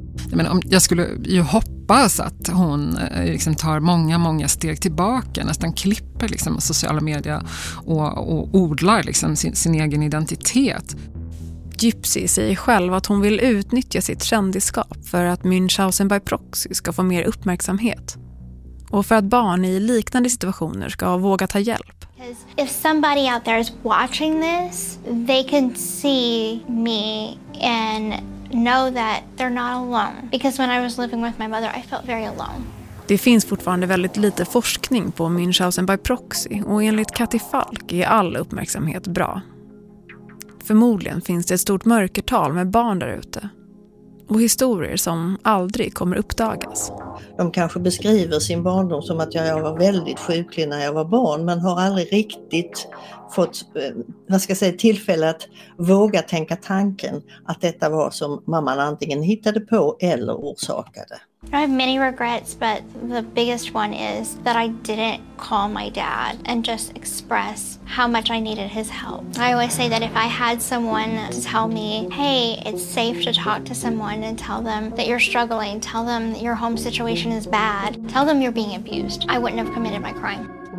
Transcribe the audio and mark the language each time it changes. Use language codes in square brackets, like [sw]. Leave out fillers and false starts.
[sv] Jag menar, jag skulle ju hoppas att hon liksom tar många, många steg tillbaka, nästan klipper liksom sociala medier och odlar liksom sin egen identitet. Gypsy säger själv att hon vill utnyttja sitt kändisskap för att Münchhausen by proxy ska få mer uppmärksamhet. Och för att barn i liknande situationer ska våga ta hjälp. [en] If somebody out there is watching this, they can see me and know that they're not alone. Because when I was living with my mother, I felt very alone. [sv] Det finns fortfarande väldigt lite forskning på Münchhausen by proxy och enligt Kathy Falk är all uppmärksamhet bra. Förmodligen finns det ett stort mörkertal med barn där ute. och historier som aldrig kommer uppdagas. De kanske beskriver sin barndom som att jag var väldigt sjuklig när jag var barn, men har aldrig riktigt fått, vad ska jag säga, tillfälle att våga tänka tanken att detta var som mamman antingen hittade på eller orsakade. [en] I have many regrets, but the biggest one is that I didn't call my dad and just express how much I needed his help. I always say that if I had someone to tell me, hey, it's safe to talk to someone and tell them that you're struggling, tell them that your home situation is bad, tell them you're being abused, I wouldn't have committed my crime.